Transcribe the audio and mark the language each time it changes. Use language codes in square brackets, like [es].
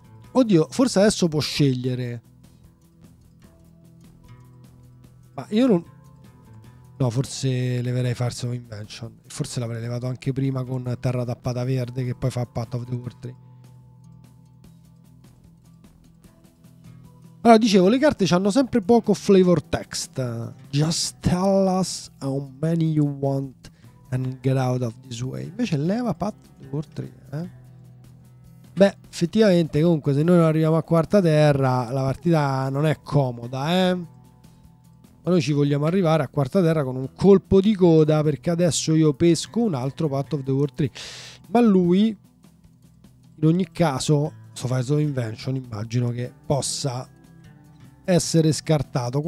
[it] Oddio, forse adesso può scegliere, ma io non... No, forse leverei Farce of Invention. Forse l'avrei levato anche prima con Terra Tappata Verde, che poi fa Path of the World Tree. Allora, dicevo, le carte hanno sempre poco flavor text. [en] Just tell us how many you want and get out of this way. [it] Invece leva Path of the World Tree, eh? Beh, effettivamente, comunque, se noi non arriviamo a quarta terra, la partita non è comoda, eh? Ma noi ci vogliamo arrivare a quarta terra con un colpo di coda, perché adesso io pesco un altro Path of the World Tree. Ma lui, in ogni caso, Sofiso Invention, immagino che possa essere scartato.